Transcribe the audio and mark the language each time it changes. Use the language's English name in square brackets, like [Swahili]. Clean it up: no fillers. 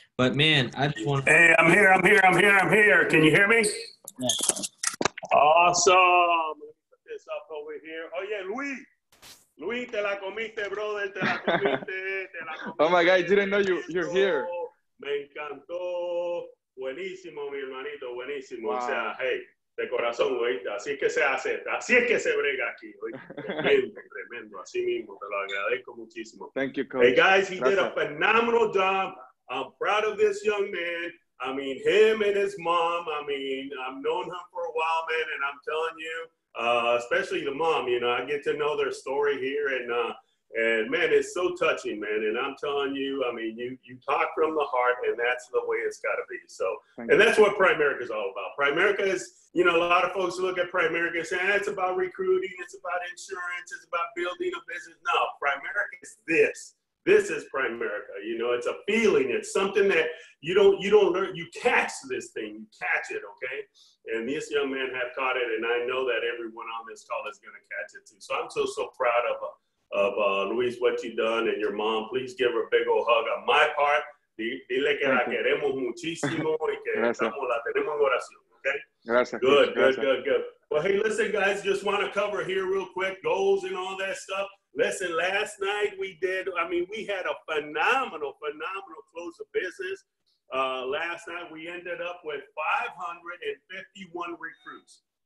[English] But, man, I just want to. Hey, I'm here. Can you hear me? Yeah. Awesome. Let me put this up over here. Oh yeah, [Spanish] Luis, te la comiste, [English] brother. [Spanish] Te la comiste. [English] Oh my God, I didn't know you're here. [Spanish] Me encantó. Buenísimo, mi hermanito. Buenísimo. Wow. O sea, hey, de corazón, güey. Así es que se hace. Así es que se brega aquí. Tremendo. Así mismo. Te lo agradezco muchísimo. [English] Thank you, coach. Hey guys, he did a phenomenal job. I'm proud of this young man. I mean, him and his mom, I mean, I've known him for a while, man, and I'm telling you, especially the mom, you know, I get to know their story here, and man, it's so touching, man, and I'm telling you, I mean, you talk from the heart, and that's the way it's got to be, so, and that's what Primerica is all about. Primerica is, you know, a lot of folks look at Primerica and say, it's about recruiting, it's about insurance, it's about building a business. No, Primerica is this. This is Primerica. You know, it's a feeling. It's something that you don't learn. You catch this thing. You catch it, okay? And this young man has caught it, and I know that everyone on this call is going to catch it too. So I'm so proud of Luis, what you've done, and your mom. Please give her a big old hug on my part. [Spanish] Dile que la queremos muchísimo y que estamos la tenemos en oración, okay? Gracias. [English] Good. Well, hey, listen, guys, just want to cover here real quick goals and all that stuff. Listen, last night we did, I mean, we had a phenomenal close of business. Last night we ended up with 551 recruits.